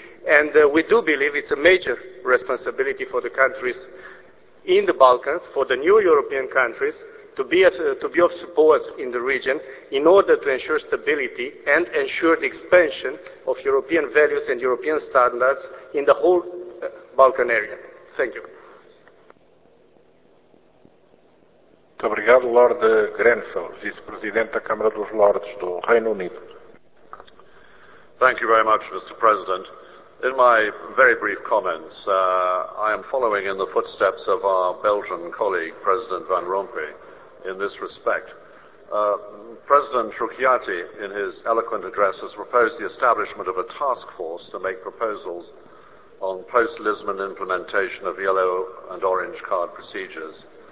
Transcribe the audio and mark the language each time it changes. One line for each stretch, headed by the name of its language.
English: And we do believe it's a major responsibility for the countries in the Balkans, for the new European countries, to be of support in the region in order to ensure stability and ensure the expansion of European values and European standards in the whole Balkan area. Thank you.
Portuguese: Muito obrigado, Lord Grenfell, Vice-Presidente da Câmara dos Lordes do Reino Unido.
English: Thank you very much, Mr. President. In my very brief comments, I am following in the footsteps of our Belgian colleague, President Van Rompuy, in this respect. President Trucchiati, in his eloquent address, has proposed the establishment of a task force to make proposals on post-Lisbon implementation of yellow and orange card procedures.